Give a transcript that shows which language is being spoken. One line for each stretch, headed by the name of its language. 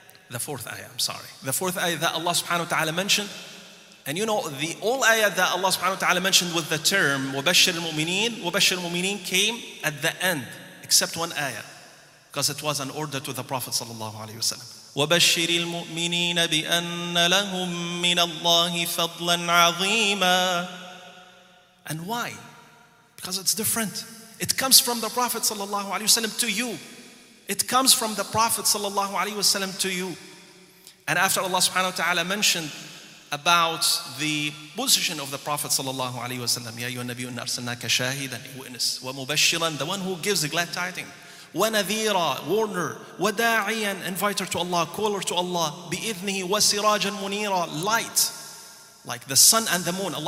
English: The fourth ayah that Allah subhanahu wa ta'ala mentioned, and you know, the all ayah that Allah subhanahu wa ta'ala mentioned with the term wabashir al-mu'mineen came at the end, except one ayah, because it was an order to the Prophet sallallahu alayhi wa sallam.
Arabic: وبشر المؤمنين بأن لهم من الله فضلا عظيما.
English: And why? Because it's different. It comes from the Prophet sallallahu alaihi wasallam to you. It comes from the Prophet sallallahu alaihi wasallam to you. And after Allah subhanahu wa ta'ala mentioned about the position of the Prophet sallallahu alaihi wasallam,
Arabic: ya ayyuhan nabiyyu inna arsalnaka shahidan,
English: a witness, wa mubashshiran, the one who gives the glad tidings, wa nadhira, warner, wa da'iyan, inviter to Allah, caller to Allah,
Arabic: bi'idhnihi wa sirajan munira,
English: light, like the sun and the moon.